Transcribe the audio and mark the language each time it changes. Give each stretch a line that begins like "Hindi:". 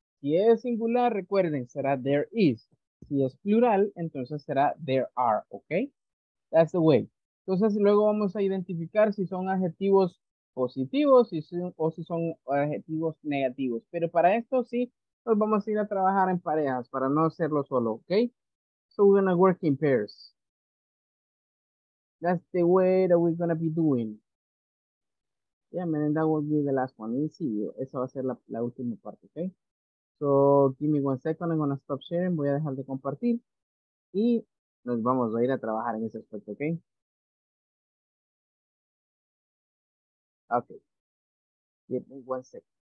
Spanish: Si es singular, recuerden, será there is. Si es plural, entonces será there are, ¿ok? That's the way. Entonces, luego vamos a identificar si son adjetivos positivos o si son adjetivos negativos. Pero para esto, sí, Entonces vamos a ir a trabajar en parejas para no hacerlo solo, ¿ok?
English: So we're going to work in pairs. That's the way that we're going to be doing. Yeah, man, and that will be the last one. Let's see. Esa va a ser la última parte, ¿ok? So give me one second. I'm going to stop sharing.
Spanish: Voy a dejar de compartir. Y nos vamos a ir a trabajar en ese aspecto, ¿ok?
English: Okay. Give me one second.